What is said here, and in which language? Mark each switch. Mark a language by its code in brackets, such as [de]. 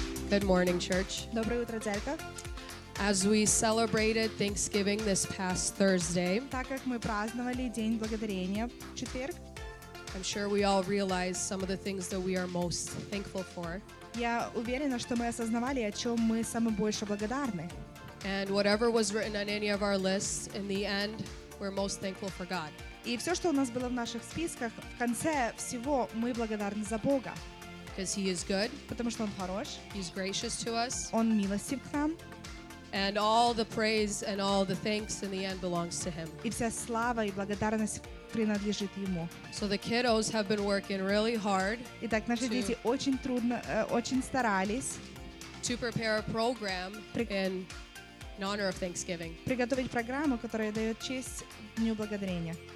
[en] Good morning, church. [ru] Доброе утро, церковь. [en] As we celebrated Thanksgiving this past Thursday, [ru] так как мы праздновали День Благодарения в четверг, [en] I'm sure we all realize some of the things that we are most thankful for. [ru] Я уверена, что мы осознавали, о чем мы самым больше благодарны. [en] And whatever was written on any of our lists, in the end, we're most thankful for God. [ru] И все, что у нас было в наших списках, в конце всего мы благодарны за Бога. [en] Because he is good. [ru] Потому что он хорош. [en] He's gracious to us. [ru] Он милостив к нам. [en] And all the praise and all the thanks in the end belongs to him. [ru] И вся слава и благодарность принадлежит ему. [en] So the kiddos have been working really hard. [ru] Итак, наши дети очень старались. [en] To prepare a program in honor of Thanksgiving. [ru] Приготовить программу, которая дает честь Дню Благодарения.